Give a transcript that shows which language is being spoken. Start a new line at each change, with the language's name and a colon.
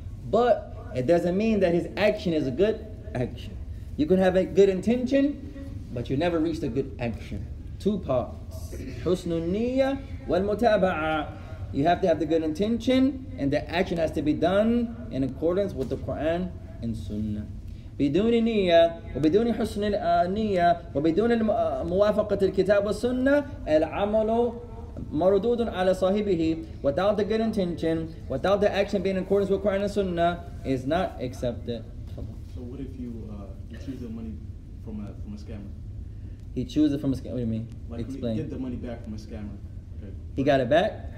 English: But it doesn't mean that his action is a good action. You can have a good intention, but you never reach a good action. Two parts. Husnu niyya wal mutaba'a. You have to have the good intention, and the action has to be done in accordance with the Quran and Sunnah.
Arabic: بدون نية وبدون حسن النية وبدون موافقة الكتاب والسنة العمل مردود على صاحبه.
English: Without the good intention, without the action being in accordance with Quran and Sunnah, is not accepted. So what if you choose the money from a scammer? He chooses from a scammer. What do you mean? Like, explain. Get the money back from a scammer. Okay. He got it back?